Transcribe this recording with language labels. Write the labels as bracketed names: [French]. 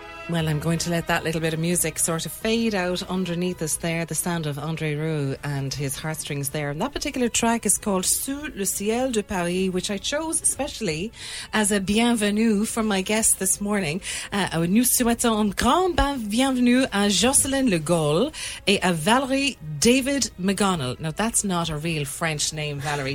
[English] Well, I'm going to let that little bit of music sort of fade out underneath us there, the sound of André Rieu and his heartstrings there. And that particular track is called Sous le ciel de Paris, which I chose especially as a bienvenue for my guest this morning. [French] Nous souhaitons un grand bienvenue à Jocelyn Le Gaulle et à Valerie David McGonnell. [English] Now, that's not a real French name, Valerie.